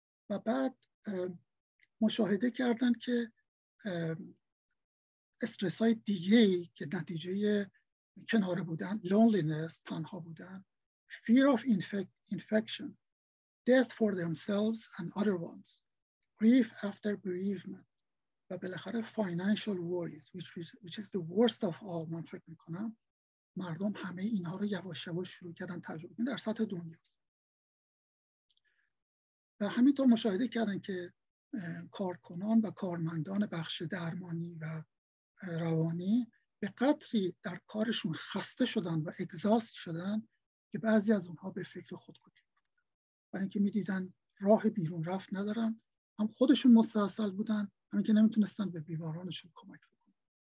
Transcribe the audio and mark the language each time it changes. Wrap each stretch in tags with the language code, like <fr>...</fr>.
<fa>و بعد مشاهده کردند که استرس‌های دیگه‌ای که نتیجه کناره بودن، لونلینس، تنها بودن،</fa> <en>fear of infection, death for themselves and other ones, grief after bereavement,</en> <fa>و بالاخره</fa> <en>financial worries which is the worst of all.</en> <fa>من فکر میکنم مردم همه اینها رو یواش یواش شروع کردن تجربه کردن در سطح دنیا و همینطور مشاهده کردن که کارکنان و کارمندان بخش درمانی و روانی به قدری در کارشون خسته شدن و اگزاست شدن که بعضی از اونها به فکر خودکشی برای اینکه می دیدن راه بیرون رفت ندارن، هم خودشون مستاصل بودن، هم که نمی تونستن به بیمارانشون کمک بکنن.</fa>